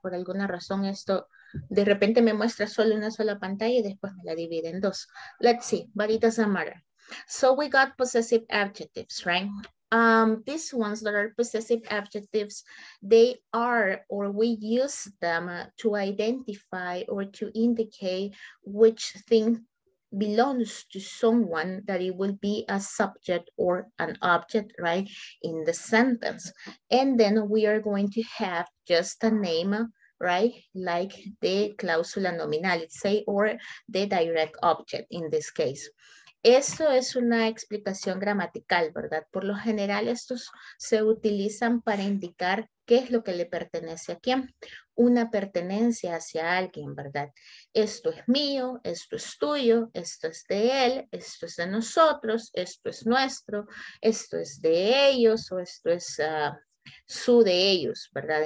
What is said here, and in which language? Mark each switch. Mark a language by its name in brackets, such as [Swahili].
[Spanish] Por alguna razón esto de repente me muestra solo una sola pantalla y después me la divide en dos. [English] Let's see, but it doesn't matter. So we got possessive adjectives, right? These ones that are possessive adjectives, they are, or we use them to identify or to indicate which thing belongs to someone, that it will be a subject or an object, right, in the sentence. And then we are going to have just a name, right, like the cláusula nominal, say, or the direct object in this case. [Spanish] Esto es una explicación gramatical, ¿verdad? Por lo general, estos se utilizan para indicar qué es lo que le pertenece a quién. Una pertenencia hacia alguien, ¿verdad? Esto es mío, esto es tuyo, esto es de él, esto es de nosotros, esto es nuestro, esto es de ellos o esto es su de ellos, ¿verdad?